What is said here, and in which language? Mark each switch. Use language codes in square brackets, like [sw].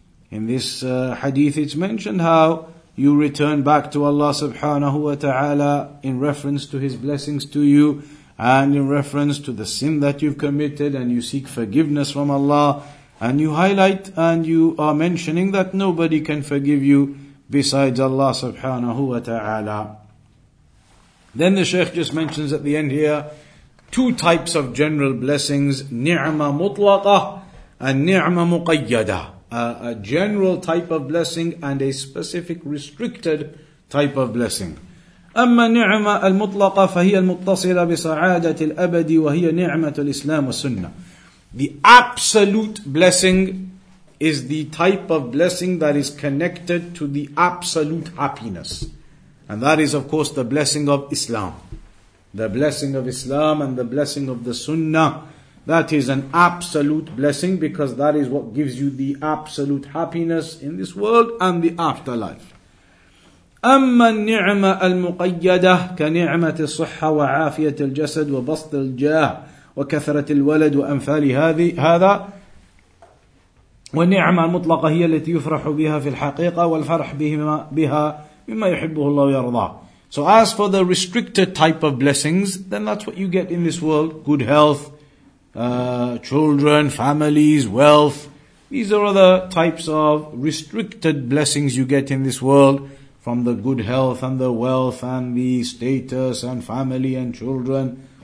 [en] In this hadith it's mentioned how you return back to Allah subhanahu wa ta'ala in reference to His blessings to you, and in reference to the sin that you've committed, and you seek forgiveness from Allah, and you highlight and you are mentioning that nobody can forgive you besides Allah subhanahu wa ta'ala. Then the Shaykh just mentions at the end here two types of general blessings, ni'ma mutlaqa and ni'ma muqayyada, a general type of blessing and a specific restricted type of blessing. [ar] أما النعمة المطلقة فهي المتصلة بسعادة الأبد وهي نعمة الإسلام والسنة. [en] The absolute blessing is the type of blessing that is connected to the absolute happiness. And that is of course the blessing of Islam. The blessing of Islam and the blessing of the Sunnah. That is an absolute blessing because that is what gives you the absolute happiness in this world and the afterlife. [ar] أما النعمة المقيدة كنعمة الصحة وعافية الجسد وبسط الجاه وكثرة الولد وأمثال هذا والنعمة المطلقة هي التي يفرح بها في الحقيقة والفرح بها مما يحبه الله ويرضاه. [en] So as for the restricted type of blessings, then that's what you get in this world, good health, children, families, wealth. These are other types of restricted blessings you get in this world, from the good health and the wealth and the status and family and children.